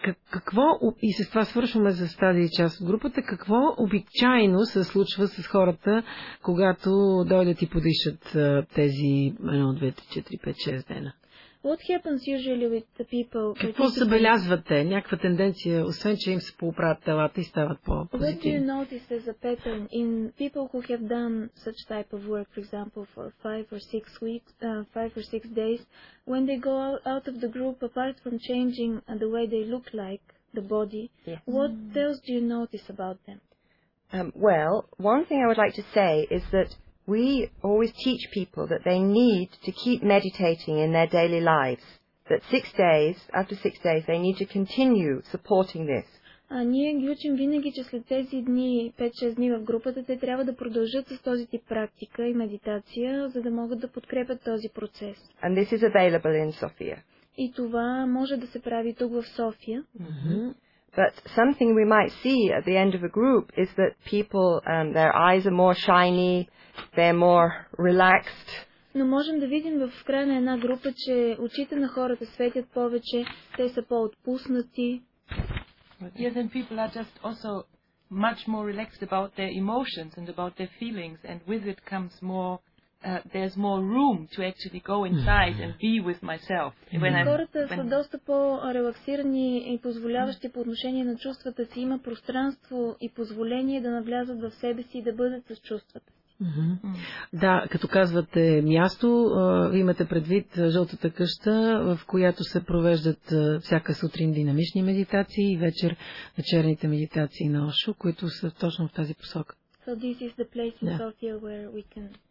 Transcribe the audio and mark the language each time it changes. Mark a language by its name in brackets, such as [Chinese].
[Bulgarian] Какво, и с това свършваме за тази част от групата, какво обичайно се случва с хората, когато дойдат и подишат тези 1, 2, 3, 4, 5, 6 дена? [English] What happens usually with the people? [Bulgarian] Какво забелязвате? Някаква тенденция, освен че им се поуправят телата и стават по-позитивни? [English] What do you notice as a pattern in people who have done such type of work, for example, for 5 or 6 days, when they go out of the group, apart from changing the way they look like, the body, yes. What else do you notice about them? Well, one thing I would like to say is that we always teach people that they need to keep meditating in their daily lives. That 6 days, after 6 days, they need to continue supporting this. [Bulgarian] Ние ги учим винаги, че след тези дни, 5-6 дни в групата, те трябва да продължат с този тип практика и медитация, за да могат да подкрепят този процес. [English] And this is available in Sofia. [Bulgarian] И това може да се прави тук в София. [English] But something we might see at the end of a group is that people, their eyes are more shiny, they're more relaxed. [Bulgarian] Но можем да видим в края на една група, че очите на хората светят повече, те са по-отпуснати. [English] Yes, and people are just also much more relaxed about their emotions and about their feelings, and with it comes more, there's more room to actually go inside and be with myself. [Bulgarian] Хората са доста по-релаксирани и позволяващи по отношение на чувствата си. Има пространство и позволение да навлязат в себе си и да бъдат с чувствата си. Да, като казвате място, ви имате предвид жълтата къща, в която се провеждат всяка сутрин динамични медитации и вечер вечерните медитации на Ошо, които са точно в тази посока. [English] So this is the place in Sofia where we can...